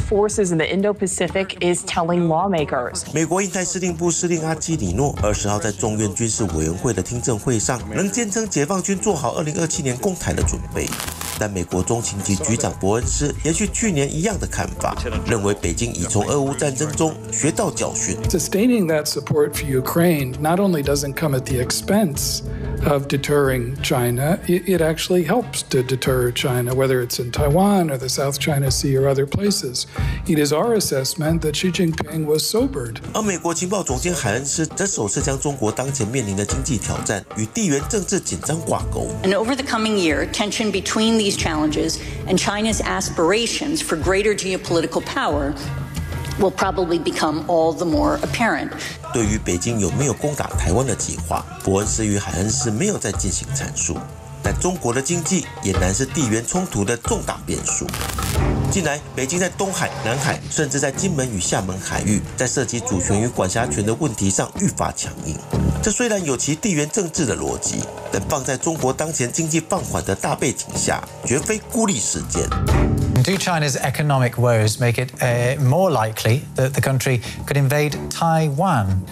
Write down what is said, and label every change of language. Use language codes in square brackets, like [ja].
[en] forces in the Indo-Pacific is telling lawmakers. [zh] 美国印太司令部司令阿基里诺20号在众院军事委员会的听证会上，仍坚称解放军做好2027年攻台的准备。但美国中情局局长伯恩斯延续去年一样的看法，认为北京已从俄乌战争中学到教训。 [en] Sustaining that support for Ukraine not only doesn't come at the expense of deterring China, it actually helps to deter China, whether it's in Taiwan or the South China Sea or other places. It is our assessment that Xi Jinping was sobered. [zh] 而美国情报总监海恩斯则首次将中国当前面临的经济挑战与地缘政治紧张挂钩。 [en] And over the coming year, tension between these challenges and China's aspirations for greater geopolitical power will probably become all the more apparent. [zh] 对于北京有没有攻打台湾的计划，伯恩斯与海恩斯没有再进行阐述。但中国的经济俨然是地缘冲突的重大变数。近来，北京在东海、南海，甚至在金门与厦门海域，在涉及主权与管辖权的问题上愈发强硬。这虽然有其地缘政治的逻辑，但放在中国当前经济放缓的大背景下，绝非孤立事件。 [en] Do China's economic woes make it more likely that the country could invade Taiwan?